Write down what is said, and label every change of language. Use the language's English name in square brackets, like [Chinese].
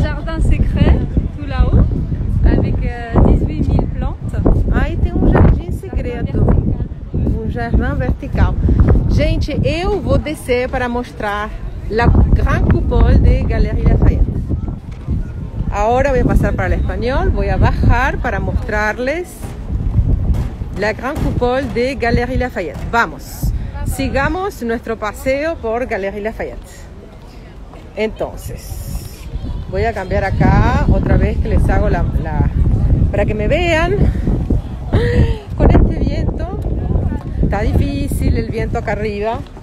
[French] O jardim secret, tout là-haut, avec 18 000 plantes. [Portuguese] Aí tem um jardim secreto. Um jardim vertical. Gente, eu vou descer para mostrar [French] la grande coupole [Portuguese] de Galerie Lafayette. Agora vou passar para o espanhol, vou abaixar para mostrar-lhes [French] la grande coupole [Portuguese] de Galerie Lafayette. Vamos! [Spanish] Sigamos nuestro paseo por Galerie Lafayette. Entonces, voy a cambiar acá otra vez que les hago la para que me vean. Con este viento, está difícil el viento acá arriba.